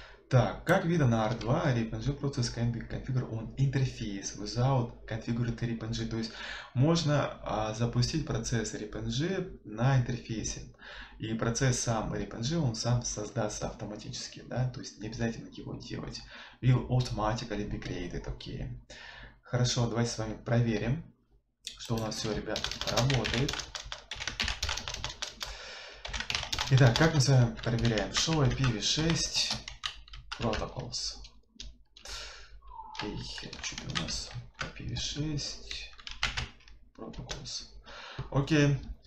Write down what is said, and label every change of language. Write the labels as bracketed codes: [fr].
[ru] Так, как видно на R2, [en] RipNG process can be configured on interface without configured RipNG. [ru] То есть можно запустить процесс RipNG на интерфейсе. И процесс сам RipNG, он сам создастся автоматически, да, то есть не обязательно его делать. [en] Will automatically be created, окей. [ru] Хорошо, давайте с вами проверим, что у нас все, ребят, работает. Итак, как мы с вами проверяем? Show IPv6 Protocols. Окей, что у нас IPv6 Protocols. Окей.